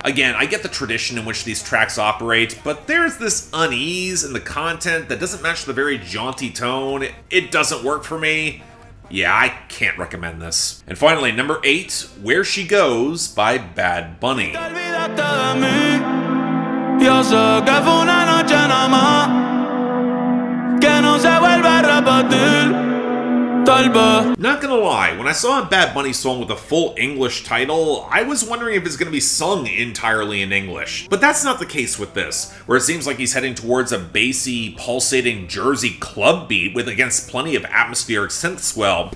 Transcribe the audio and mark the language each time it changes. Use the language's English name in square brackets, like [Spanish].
[English] Again, I get the tradition in which these tracks operate, but there's this unease in the content that doesn't match the very jaunty tone. It doesn't work for me. Yeah, I can't recommend this. And finally, number 8, Where She Goes by Bad Bunny. [Spanish] Yo sé que fue una noche nada más, que no se vuelva a repetir. [English] Not gonna lie, when I saw a Bad Bunny song with a full English title, I was wondering if it's gonna be sung entirely in English. But that's not the case with this, where it seems like he's heading towards a bassy, pulsating Jersey club beat with against plenty of atmospheric synth swell.